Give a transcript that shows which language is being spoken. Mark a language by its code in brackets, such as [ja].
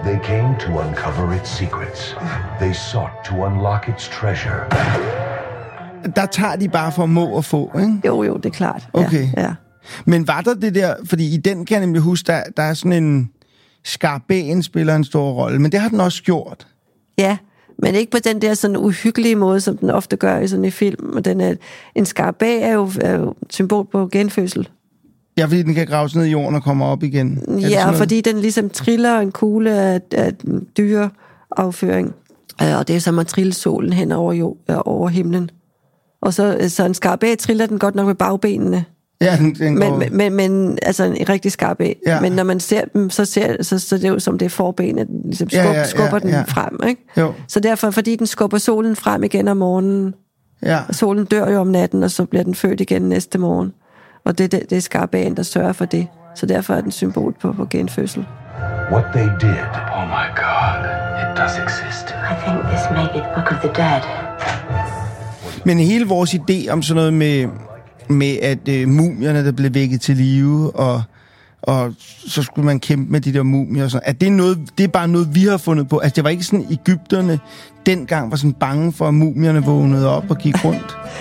[en] They came to uncover its secrets. They sought to unlock its treasure. [da] Der tager de bare for må og få, ikke? Jo, det er klart. Okay. Ja. Men var der det der, fordi i den kan jeg nemlig huske, der er sådan en skarben spiller en stor rolle, men det har den også gjort. Ja. Men ikke på den der sådan uhyggelige måde, som den ofte gør i sådan en film. Og den er, en skarabæ er jo symbol på genfødsel. Ja, fordi den kan graves ned i jorden og komme op igen. Er ja, fordi den ligesom triller en kugle af dyreafføring. Og det er som at trille solen hen over, over himlen. Og så en skarabæ triller den godt nok med bagbenene. Ja, den går... Men altså en rigtig skarabæ. Ja. Men når man ser dem, så er det jo som det er forbenet, den ligesom skubber den frem, ikke? Jo. Så derfor, fordi den skubber solen frem igen om morgenen. Ja. Solen dør jo om natten, og så bliver den født igen næste morgen. Og det er skarabæen, der sørger for det. Så derfor er den symbol på genfødsel. [en] What they did, oh my god, it does exist. I think this may be the book of the dead. [da] Men hele vores idé om sådan noget med at mumierne, der blev vækket til live, og så skulle man kæmpe med de der mumier og sådan. Er det noget, det er bare noget, vi har fundet på? Altså, det var ikke sådan, egypterne dengang var sådan bange for, at mumierne vågnede op og gik rundt?